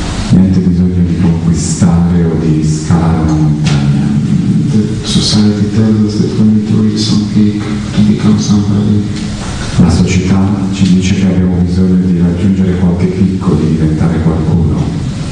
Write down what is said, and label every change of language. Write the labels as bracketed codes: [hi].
[it] Niente bisogno di conquistare o di scalare una montagna. [en] The society tells us that we need to reach some peak to become somebody. [it] La società ci dice che abbiamo bisogno di raggiungere qualche picco, di diventare qualcuno.